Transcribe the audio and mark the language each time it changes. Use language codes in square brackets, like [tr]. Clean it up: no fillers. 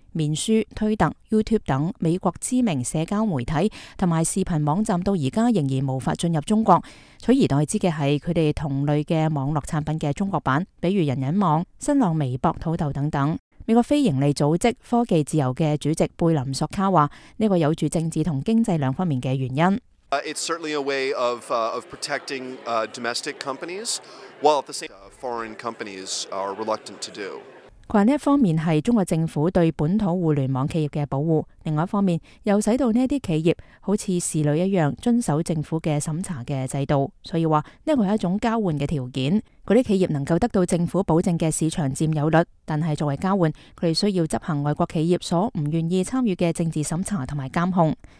[zh] 面书、推特、YouTube 等美国知名社交媒体和视频网站到现在仍然无法进入中国，取而代之的是他们同类的网络产品的中国版，比如人人网、新浪微博、土豆等等。美国非营利组织科技自由的主席贝林索卡说，这个有着政治和经济两方面的原因。 [en] It's certainly a way of protecting domestic companies, while at the same foreign companies are reluctant to do。 [zh] 他说这一方面是中国政府对本土互联网企业的保护，另外一方面又使到这些企业好像侍女一样遵守政府的审查的制度，所以说这是一种交换的条件。那些企业能够得到政府保证的市场占有率，但是作为交换，他们需要执行外国企业所不愿意参与的政治审查和监控。